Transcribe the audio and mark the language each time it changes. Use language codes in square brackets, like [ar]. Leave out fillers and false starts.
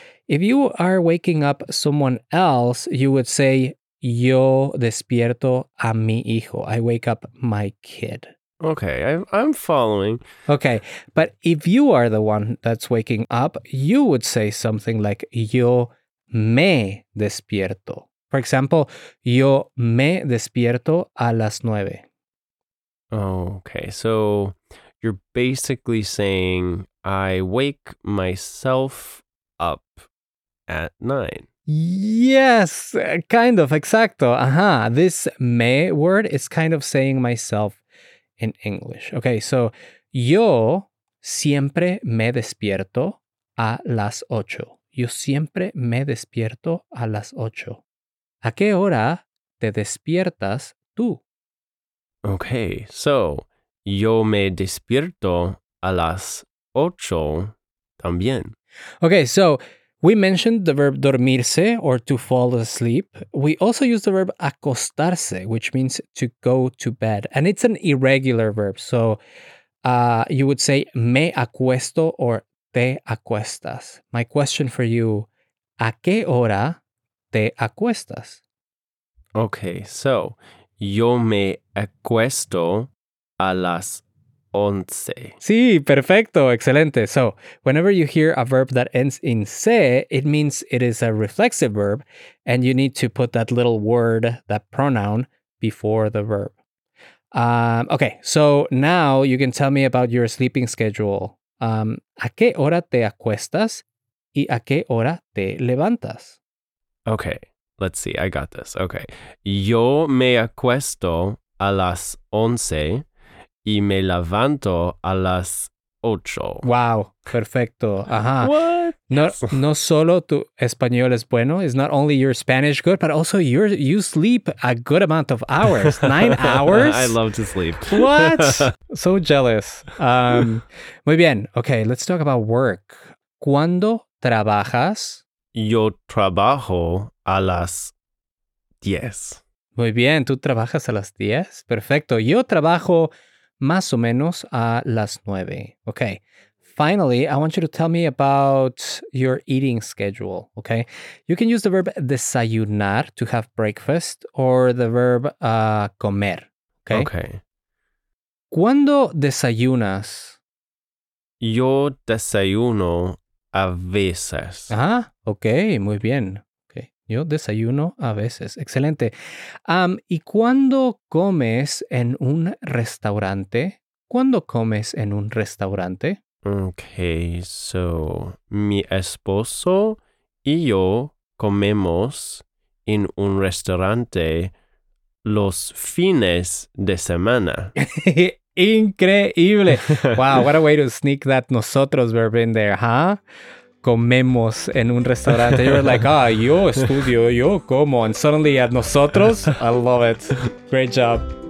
[en] If you are waking up someone else, you would say, [es] yo despierto a mi hijo. [en] I wake up my kid. Okay, I'm following. Okay, but if you are the one that's waking up, you would say something like, [es] yo me despierto. [en] For example, [es] yo me despierto a las nueve. [en] Okay, so you're basically saying, I wake myself up at nine. Yes, kind of, [es] exacto. [en] Uh-huh. This me word is kind of saying myself in English. Okay, so [es] yo siempre me despierto a las ocho. Yo siempre me despierto a las ocho. ¿A qué hora te despiertas tú? [en] Okay, so [es] yo me despierto a las ocho también. [en] Okay, so we mentioned the verb dormirse or to fall asleep. We also use the verb acostarse, which means to go to bed. And it's an irregular verb. So you would say [es] me acuesto [en] or [es] te acuestas. [en] My question for you, [es] ¿a qué hora te acuestas? [en] Okay, so [es] yo me acuesto a las 11. Sí, perfecto, excelente. [en] So, whenever you hear a verb that ends in se, it means it is a reflexive verb, and you need to put that little word, that pronoun, before the verb. Okay, so now you can tell me about your sleeping schedule. [es] ¿A qué hora te acuestas y a qué hora te levantas? [en] Okay, let's see, I got this. Okay, [es] yo me acuesto a las 11. Y me levanto a las ocho. [en] Wow, [es] perfecto. Ajá. [en] What? [es] No solo tu español es bueno, [en] it's not only your Spanish good, but also you sleep a good amount of hours. 9 hours? I love to sleep. What? So jealous. [es] Muy bien. [en] Okay, let's talk about work. [es] ¿Cuándo trabajas? Yo trabajo a las 10. Muy bien, ¿tú trabajas a las 10? Perfecto. Yo trabajo más o menos a las nueve. [en] Okay. Finally, I want you to tell me about your eating schedule. Okay. You can use the verb desayunar to have breakfast or the verb comer. Okay. Okay. [es] ¿Cuándo desayunas? Yo desayuno a veces. Ah, okay. Muy bien. Yo desayuno a veces. Excelente. ¿Y cuándo comes en un restaurante? ¿Cuándo comes en un restaurante? [en] Okay, so [es] mi esposo y yo comemos en un restaurante los fines de semana. Increíble. [en] Wow, what a way to sneak that nosotros verb in there, huh? [es] Comemos en un restaurante. [en] You're like, ah, [es] yo estudio, yo como. [en] And suddenly at nosotros, I love it. Great job.